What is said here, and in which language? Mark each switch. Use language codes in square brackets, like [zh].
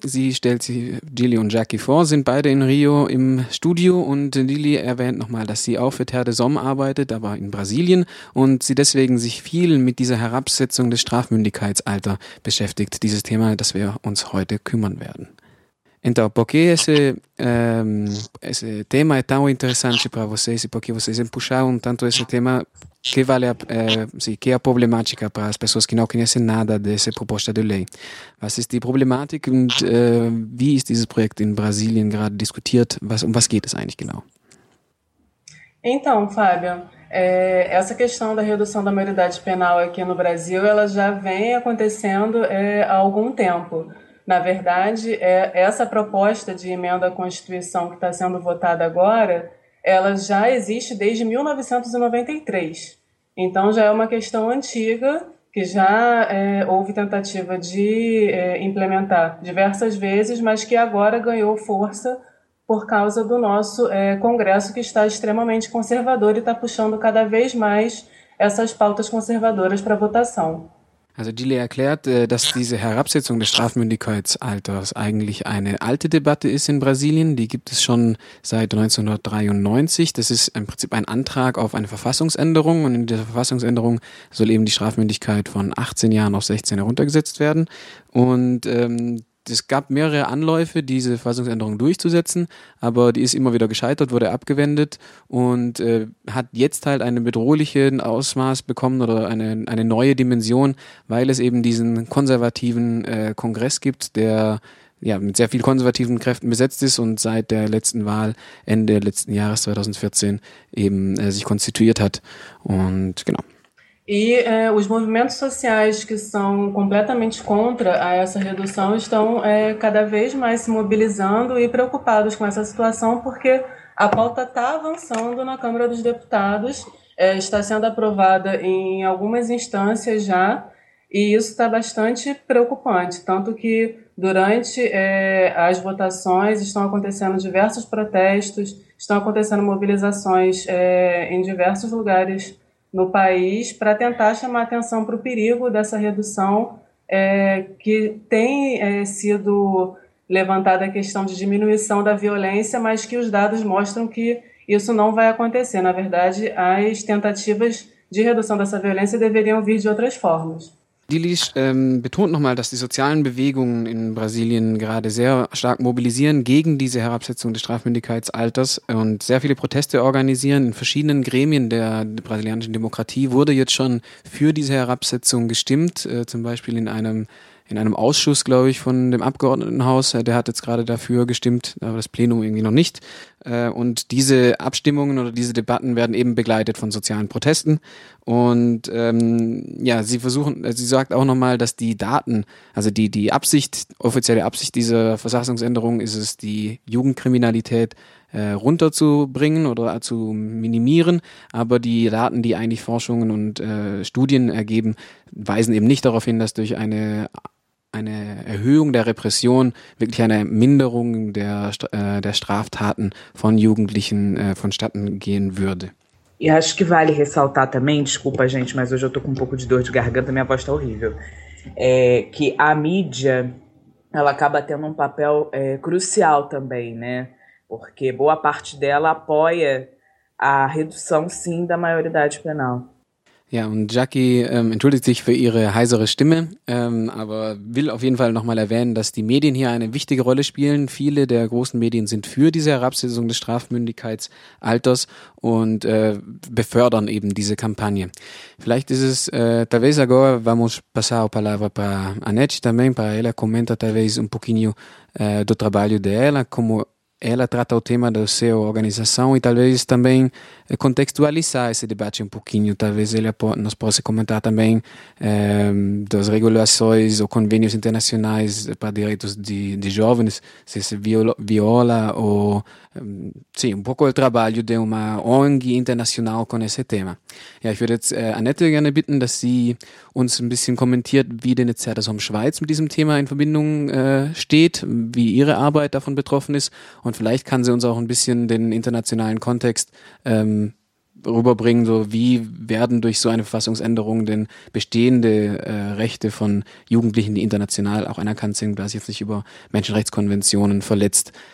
[de] Sie stellt sich, Dili und Jackie, vor, sind beide in Rio im Studio, und Dili erwähnt nochmal, dass sie auch für Terre des Hommes arbeitet, aber in Brasilien, und sie deswegen sich viel mit dieser Herabsetzung des Strafmündigkeitsalters beschäftigt, dieses Thema, das wir uns heute kümmern werden. [pt] Então, por que esse tema é tão interessante para vocês e por que vocês puxaram tanto esse tema? Que vale que é a problemática para as pessoas que não conhecem nada dessa proposta de lei? [de] Was ist die Problematik und wie ist dieses Projekt in Brasilien gerade diskutiert? Was geht es eigentlich genau? [pt] Então, Fábio, essa questão da redução da maioridade penal aqui no Brasil, ela já vem acontecendo há algum tempo. Na verdade, essa proposta de emenda à Constituição que está sendo votada agora, ela já existe desde 1993. Então, já é uma questão antiga, que já houve tentativa de implementar diversas vezes, mas que agora ganhou força por causa do nosso Congresso, que está extremamente conservador e está puxando cada vez mais essas pautas conservadoras para votação. [de] Also Dili erklärt, dass diese Herabsetzung des Strafmündigkeitsalters eigentlich eine alte Debatte ist in Brasilien. Die gibt es schon seit 1993. Das ist im Prinzip ein Antrag auf eine Verfassungsänderung. Und in dieser Verfassungsänderung soll eben die Strafmündigkeit von 18 Jahren auf 16 heruntergesetzt werden. Und es gab mehrere Anläufe, diese Verfassungsänderung durchzusetzen, aber die ist immer wieder gescheitert, wurde abgewendet und hat jetzt halt einen bedrohlichen Ausmaß bekommen oder eine neue Dimension, weil es eben diesen konservativen Kongress gibt, der ja mit sehr viel konservativen Kräften besetzt ist und seit der letzten Wahl Ende letzten Jahres 2014 eben sich konstituiert hat. Und genau. [pt] E os movimentos sociais que são completamente contra essa redução estão cada vez mais se mobilizando e preocupados com essa situação, porque a pauta está avançando na Câmara dos Deputados, está sendo aprovada em algumas instâncias já, e isso está bastante preocupante, tanto que durante as votações estão acontecendo diversos protestos, estão acontecendo mobilizações em diversos lugares no país, para tentar chamar atenção para o perigo dessa redução, que tem sido levantada a questão de diminuição da violência, mas que os dados mostram que isso não vai acontecer. Na verdade, as tentativas de redução dessa violência deveriam vir de outras formas. [de] Dilis betont nochmal, dass die sozialen Bewegungen in Brasilien gerade sehr stark mobilisieren gegen diese Herabsetzung des Strafmündigkeitsalters und sehr viele Proteste organisieren. In verschiedenen Gremien der brasilianischen Demokratie wurde jetzt schon für diese Herabsetzung gestimmt, zum Beispiel in einem Ausschuss, glaube ich, von dem Abgeordnetenhaus. Der hat jetzt gerade dafür gestimmt, aber das Plenum irgendwie noch nicht. Und diese Abstimmungen oder diese Debatten werden eben begleitet von sozialen Protesten. Und sie sagt auch nochmal, dass die Daten, also die offizielle Absicht dieser Verfassungsänderung ist es, die Jugendkriminalität runterzubringen oder zu minimieren. Aber die Daten, die eigentlich Forschungen und Studien ergeben, weisen eben nicht darauf hin, dass durch eine Erhöhung der Repression, wirklich eine Minderung der Straftaten von Jugendlichen vonstatten gehen würde. [pt] E acho que vale ressaltar também, desculpa gente, mas hoje eu tô com um pouco de dor de garganta, minha voz tá horrível, que a mídia, ela acaba tendo um papel crucial também, né? Porque boa parte dela apoia a redução, sim, da maioridade penal. [de] Ja, und Jackie entschuldigt sich für ihre heisere Stimme, aber will auf jeden Fall nochmal erwähnen, dass die Medien hier eine wichtige Rolle spielen. Viele der großen Medien sind für diese Herabsetzung des Strafmündigkeitsalters und befördern eben diese Kampagne. Vielleicht ist es, [pt] talvez agora vamos passar a palavra para a Anete também, para ela comentar talvez um pouquinho do trabalho dela, como ela trata o tema da sua organização e talvez também contextualizar esse debate um pouquinho. Talvez ela nos possa comentar também das regulações ou convênios internacionais para direitos de jovens, se isso viola ou... sim, um pouco o trabalho de uma ONG internacional com esse tema. [de] Ja, ich würde jetzt Anette gerne bitten, dass sie uns ein bisschen kommentiert, wie denn jetzt Zertasom Schweiz mit diesem Thema in Verbindung steht, wie ihre Arbeit davon betroffen ist. Und vielleicht kann sie uns auch ein bisschen den internationalen Kontext rüberbringen, so wie werden durch so eine Verfassungsänderung denn bestehende Rechte von Jugendlichen, die international auch anerkannt sind, was jetzt nicht über Menschenrechtskonventionen verletzt.